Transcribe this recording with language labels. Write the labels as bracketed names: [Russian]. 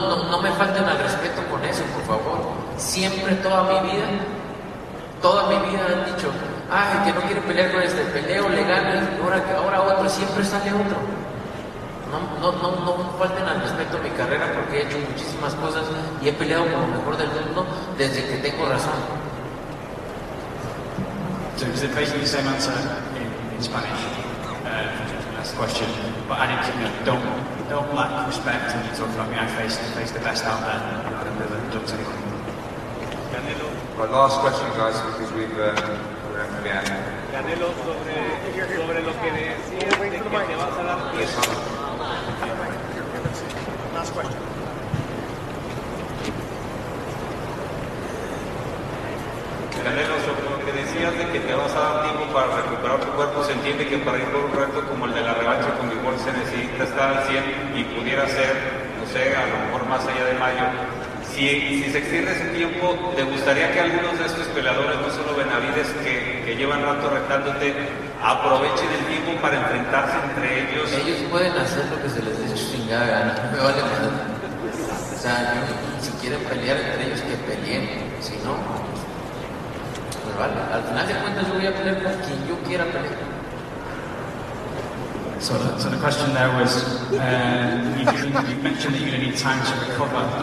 [Spanish] No me falten al respeto con eso, por favor. Siempre, toda mi vida han dicho, ay, que no quiere pelear con este, peleo, le gano, ahora otro, siempre sale otro. No falten al respeto a mi carrera porque he hecho muchísimas cosas y he peleado con lo mejor del mundo desde que tengo razón. [English] So it's basically the same answer in Spanish for the last question, but I didn't, you know, don't lack respect when you talk about me. I face the best out there. I don't really don't take it. Canelo. Our last question, guys, because we've we're going to be [Spanish] Canelo, sobre lo que decías de que te vas a dar pies. [English] Last question. [Spanish] Canelo, sobre lo que decías de que te vas a dar tiempo para recuperar tu cuerpo, se entiende que para ir por un reto como el de la revancha con mi gol se necesita estar al 100 y pudiera ser, no sé, a lo mejor más allá de mayo. Si se extiende ese tiempo, ¿te gustaría que algunos de estos peleadores, no solo Benavides, que llevan rato retándote, aprovechen el tiempo para enfrentarse entre ellos? Ellos pueden hacer lo que se les dé su chingada gana, me vale más. O sea, si quieren pelear entre ellos, que peleen, si no. Vale. Al final de cuentas, yo voy a pelear con quien yo quiera pelear. [English] So the question there was, you mentioned that you're going to need time to recover.